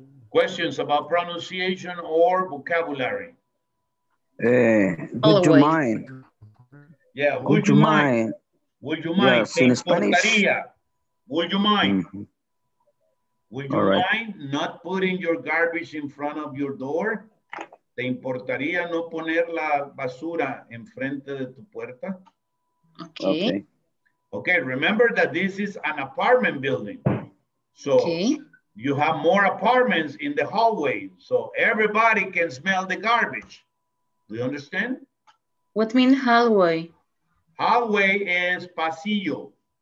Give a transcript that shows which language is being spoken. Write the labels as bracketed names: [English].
[English] Questions about pronunciation or vocabulary? Would you mind? Yeah, would you mind? Would you mind? Would you mind? Would you mind not putting your garbage in front of your door? [Spanish] ¿Te importaría no poner la basura en frente de tu puerta? [English] Okay. Okay, remember that this is an apartment building. So you have more apartments in the hallway, so everybody can smell the garbage. Do you understand? What mean hallway? Hallway is pasillo.